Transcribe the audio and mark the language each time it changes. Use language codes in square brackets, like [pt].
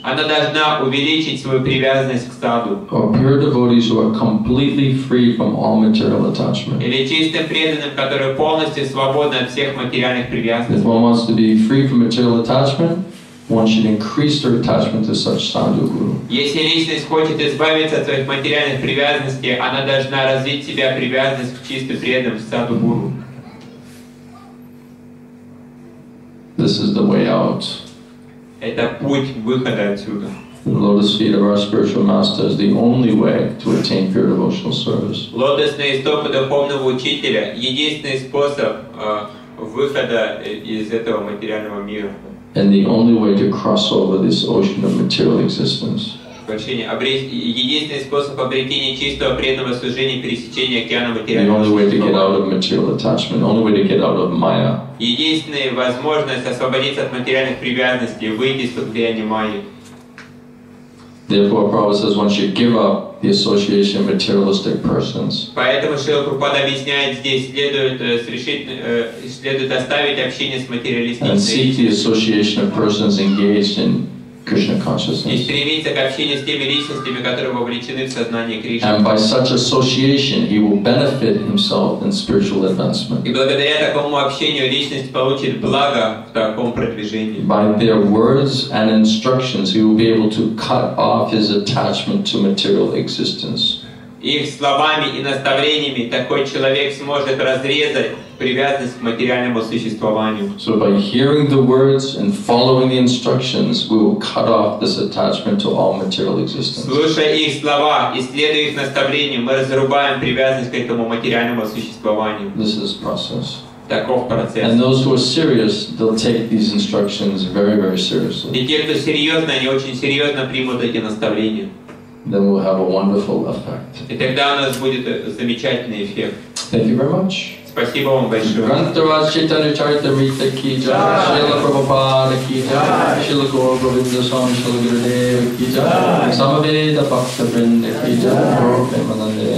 [ru] Она должна увеличить свою привязанность к саду. [en] Or pure devotees who are completely free from all material attachment. [ru] Или чистым преданным, которые полностью свободны от всех материальных привязанностей. [en] If one wants to be free from material attachment, one should increase their attachment to such sadhu guru. [ru] Если личность хочет избавиться от своих материальных привязанностей, она должна развить в себя привязанность к чистым преданным, к саду гуру. [en] This is the way out. [ru] Это путь выхода отсюда. [en] The lotus feet of our spiritual master is the only way to attain pure devotional service. [ru] Лотосные стопы духовного учителя — единственный способ выхода из этого материального мира. [en] And the only way to cross over this ocean of material existence. [ru] Единственный способ обретения чистого преданного служения — пересечения океана материального. [en] The only way to get out of material attachment, only way to get out of Maya. [ru] Единственная возможность освободиться от материальных привязанностей, выйти из-под влияния майи. [en] Therefore, Prabhupada says one should give up the association of materialistic persons. [ru] Поэтому Шрила Прабхупада объясняет здесь, следует оставить общение с материалистами. [en] And seek the association of persons engaged in Krishna consciousness. [ru] И стремиться к общению с теми личностями, которые вовлечены в сознание Кришны. [en] And by such association, he will benefit himself in spiritual advancement. [ru] И благодаря такому общению личность получит благо в таком продвижении. [en] By their words and instructions, he will be able to cut off his attachment to material existence. [ru] Их словами и наставлениями такой человек сможет разрезать привязанность к материальному существованию. [en] So by hearing the words and following the instructions, we will cut off this attachment to all material existence. [ru] Слушая их слова и следуя их наставлениям, мы разрубаем привязанность к этому материальному существованию. [en] This is process. [ru] Таков процесс. [en] And those who are serious, they'll take these instructions very, very seriously. [ru] И те, кто серьезно, они очень серьезно примут эти наставления. [en] Then we'll have a wonderful effect. [ru] И тогда у нас будет замечательный эффект. [en] Thank you very much. [ru] Спасибо вам большое. Чайтаня-чаритамрте Антья, Шрила Прабхупада ки джай, Шрила Гуру Говинда Свами Шрила Гурудева ки джай, Самаведа Бхактавринда ки джай, Прабхупаданде